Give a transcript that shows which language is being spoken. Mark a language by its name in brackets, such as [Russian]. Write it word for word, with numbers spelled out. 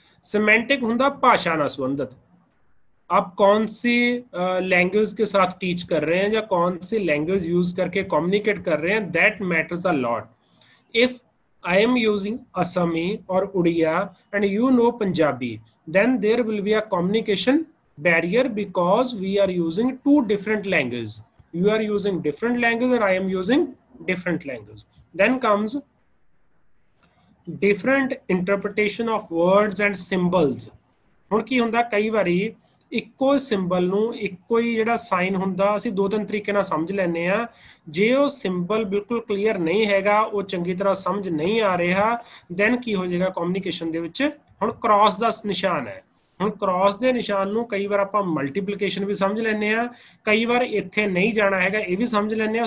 [Hindi] Semantic hunda भाषा ना संबंधित, आप कौन सी लैंग्वेज के साथ टीच कर रहे हैं या कौन सी लैंग्वेज यूज करके कम्युनिकेट कर रहे हैं, [English] that matters a lot. If I am using Assami or Odia and you know Punjabi, then there will be a communication barrier because we are using two different languages. You are using different language and I am using different language. Then comes different interpretation of words and symbols. [Punjabi] ਹੁਣ ਕੀ ਹੁੰਦਾ, ਕਈ ਵਾਰੀ ਇੱਕੋ symbol ਨੂੰ, ਇੱਕੋ ਹੀ ਜਿਹੜਾ sign ਹੁੰਦਾ, ਅਸੀਂ ਦੋ ਤਿੰਨ ਤਰੀਕੇ ਨਾਲ ਸਮਝ ਲੈਂਦੇ ਹਾਂ। ਜੇ ਉਹ ਸਿੰਬਲ ਬਿਲਕੁਲ ਕਲੀਅਰ ਨਹੀਂ ਹੈਗਾ, ਉਹ ਚੰਗੀ ਤਰ੍ਹਾਂ ਸਮਝ ਨਹੀਂ ਆ ਰਿਹਾ, ਦੈਨ ਕੀ ਹੋ ਜਾਏਗਾ ਕਮਿਊਨੀਕੇਸ਼ਨ ਦੇ ਵਿੱਚ? ਹੁਣ ਕ੍ਰਾਸ ਦਾ ਨਿਸ਼ਾਨ ਹੈ, ਹੁਣ ਕ੍ਰਾਸ ਦੇ ਨਿਸ਼ਾਨ ਨੂੰ ਕਈ ਵਾਰ ਆਪਾਂ ਮਲਟੀਪਲੀਕੇਸ਼ਨ ਵੀ ਸਮਝ ਲੈਂਦੇ ਹਾਂ, ਕਈ ਵਾਰ ਇੱਥੇ ਨਹੀਂ ਜਾਣਾ ਹੈਗਾ ਇਹ ਵੀ ਸਮਝ ਲੈਂਦੇ ਹਾਂ।